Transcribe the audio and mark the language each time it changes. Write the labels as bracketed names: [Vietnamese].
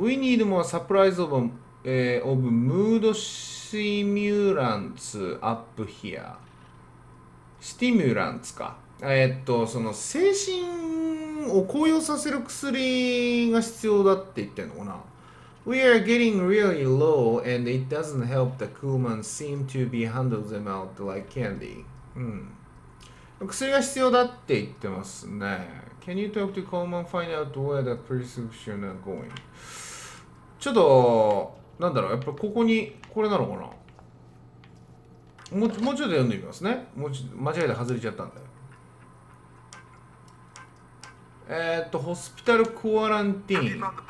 [English] We need more surprise of, of mood stimulants up here。 [Japanese] スティミュランツか。その精神を高揚させる薬が必要だって言ってるのかな。 [English] We are getting really low and it doesn't help the Coolman seem to be handling them out like candy. [Japanese] 薬が必要だって言ってますね。 [English] Can you talk to Coolman find out where the prescription are going? [Japanese] ちょっと、なんだろう、やっぱここに、これなのかな。もうちょっと読んでみますね。間違えて外れちゃったんだよ。 [English] ホスピタルクワランティーン。